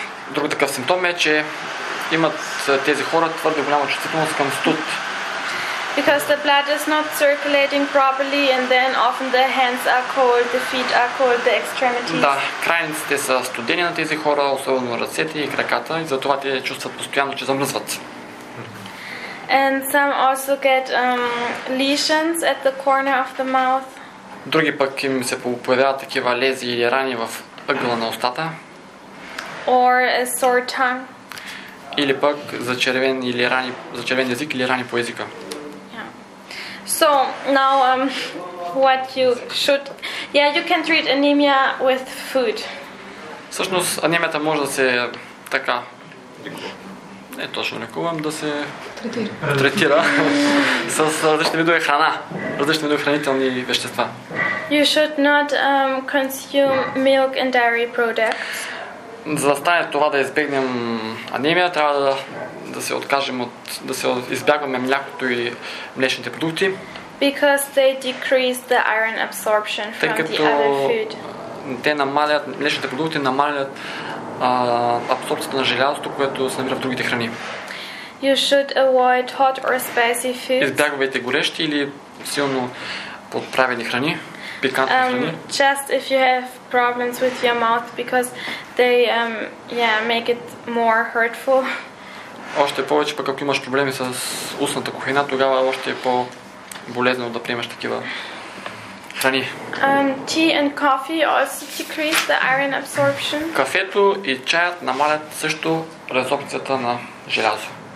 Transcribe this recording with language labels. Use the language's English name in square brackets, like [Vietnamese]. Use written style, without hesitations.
[Bulgarian] Друг такъв симптом е, че имат тези хора твърде голяма чувствителност към студ. [English] Because the blood is not circulating properly and then often the hands are cold, the feet are cold, the extremities. [Bulgarian] Да, крайниците са студени на тези хора, особено ръцете и краката, и затова те чувстват постоянно, че замръзват. [English] And some also get lesions at the corner of the mouth. [Bulgarian] Други пък им се появяват такива лези или рани в ъгъла на устата. [English] Or a sore tongue. [Bulgarian] Или пък зачервен език или рани по езика. [English] So now what you should, yeah, you can treat anemia with food. [Bulgarian] Всъщност анемията може да се така не точно лекувам, да се третира. С различни видове храна, различни видове хранителни вещества. [English] You should not consume milk and dairy products. [Bulgarian] За да стане това да избегнем анемия, трябва да се откажем от да се избягваме млякото и млечните продукти. [English] Because they decrease the iron absorption from the other food. [Bulgarian] Те намалят млечните продукти, намалят абсорбцията на желязото, което се намира в другите храни. [English] You should avoid hot or spicy foods. [Bulgarian] Избягвайте горещи или силно подправени храни. Пикантни храни. [English] Just if you have problems with your mouth because they make it more hurtful. [Bulgarian] Още повече пък ако имаш проблеми с устната кухина, тогава още е по болезнено да приемаш такива храни. [English] Tea and coffee also decrease the iron absorption. [Bulgarian] Кафето и чаят намалят също резорбцията на желязо.